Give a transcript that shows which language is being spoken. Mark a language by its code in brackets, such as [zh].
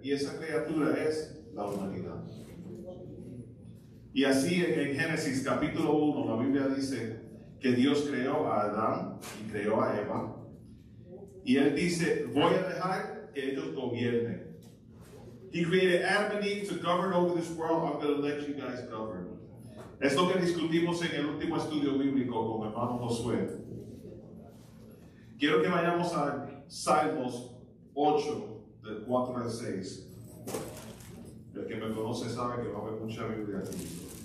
[es] Y esa criatura es la humanidad. Y así en Génesis capítulo 1, la Biblia dice que Dios creó a Adán y creó a Eva. Y él dice: voy a dejar que ellos gobiernen. [en] He created Adam and Eve to govern over this world. I'm going to let you guys govern. [es] Es lo que discutimos en el último estudio bíblico con mi hermano Josué. Quiero que vayamos a Salmos 8, del 4 al 6. El que me conoce sabe que va a haber mucha Biblia aquí.